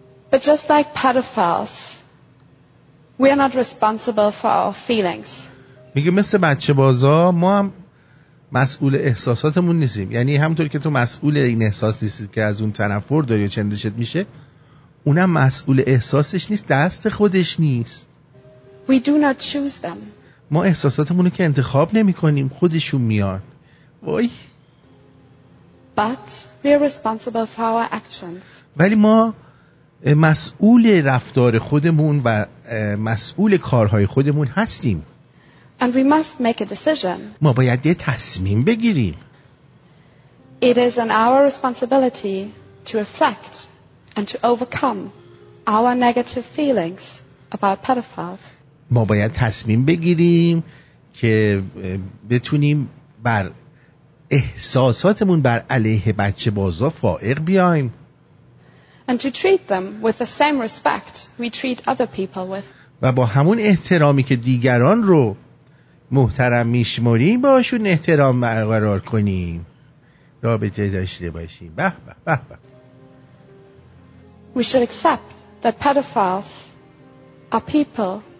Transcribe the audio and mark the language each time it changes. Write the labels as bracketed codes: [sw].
[en] But just like pedophiles, we are not responsible for our feelings. [fa] میگه مثل بچه بازا ما هم مسئول احساساتمون نیستیم. یعنی همونطور که تو مسئول این احساس نیستی که از اون تنفر داری و چندشت میشه، اونم مسئول احساسش نیست، دست خودش نیست. [en] We do not choose them. [fa] ما احساساتمونو که انتخاب نمی کنیم، خودشون میان. وای. [en] But we are responsible for our actions. [fa] ولی ما مسئول رفتار خودمون و مسئول کارهای خودمون هستیم. [en] And we must make a decision. [fa] ما باید یه تصمیم بگیریم. [en] It is in our responsibility to reflect and to overcome our negative feelings about pedophiles. [fa] ما باید تصمیم بگیریم که بتونیم بر احساساتمون بر علیه بچه بازا فائق بیایم. [en] And to treat them with the same respect we treat other people with. [fa] و با همون احترامی که دیگران رو محترم میشموریم باشون احترام برقرار کنیم، رابطه داشته باشیم. به به به به. [en] We should accept that pedophiles are people.